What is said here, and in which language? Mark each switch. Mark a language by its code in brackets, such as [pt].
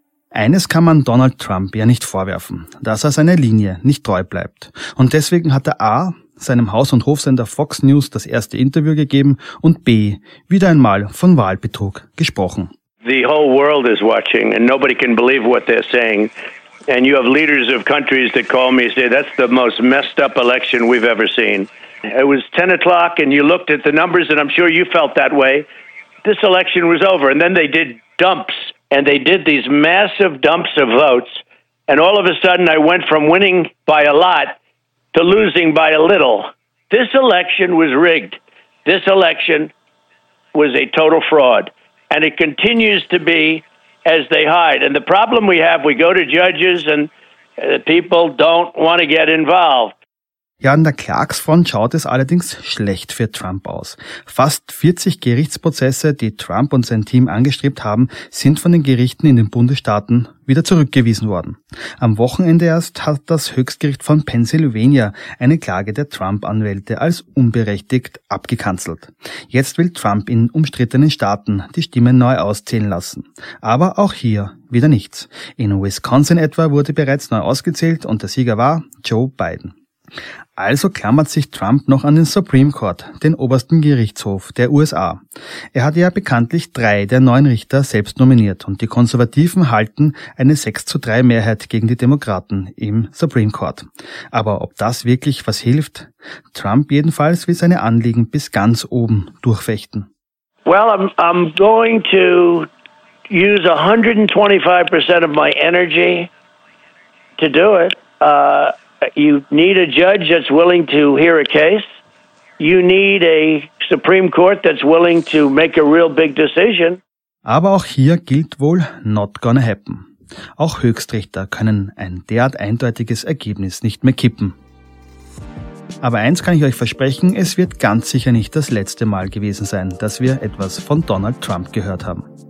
[de] Eines kann man Donald Trump ja nicht vorwerfen, dass er seiner Linie nicht treu bleibt. Und deswegen hat er A. seinem Haus- und Hofsender Fox News das erste Interview gegeben und B. wieder einmal von Wahlbetrug gesprochen. [en] The whole world is watching and nobody can believe what they're saying. And you have leaders of countries that call me and say, that's the most messed up election we've ever seen. It was 10 o'clock and you looked at the numbers and I'm sure you felt that way. This election was over and then they did dumps. And they did these massive dumps of votes, and all of a sudden I went from winning by a lot to losing by a little. This election was rigged. This election was a total fraud, and it continues to be as they hide. And the problem we have, we go to judges, and people don't want to get involved. [de] Ja, an der Klagsfront schaut es allerdings schlecht für Trump aus. Fast 40 Gerichtsprozesse, die Trump und sein Team angestrebt haben, sind von den Gerichten in den Bundesstaaten wieder zurückgewiesen worden. Am Wochenende erst hat das Höchstgericht von Pennsylvania eine Klage der Trump-Anwälte als unberechtigt abgekanzelt. Jetzt will Trump in umstrittenen Staaten die Stimmen neu auszählen lassen. Aber auch hier wieder nichts. In Wisconsin etwa wurde bereits neu ausgezählt und der Sieger war Joe Biden. Also klammert sich Trump noch an den Supreme Court, den obersten Gerichtshof der USA. Er hat ja bekanntlich 3 der 9 Richter selbst nominiert und die Konservativen halten eine 6-3 Mehrheit gegen die Demokraten im Supreme Court. Aber ob das wirklich was hilft? Trump jedenfalls will seine Anliegen bis ganz oben durchfechten. [en] Well, I'm going to use 125% of my energy to do it. You need a judge that's willing to hear a case. You need a Supreme Court that's willing to make a real big decision. [de] Aber auch hier gilt wohl [en] not gonna happen. [de] Auch Höchstrichter können ein derart eindeutiges Ergebnis nicht mehr kippen. Aber eins kann ich euch versprechen, es wird ganz sicher nicht das letzte Mal gewesen sein, dass wir etwas von Donald Trump gehört haben.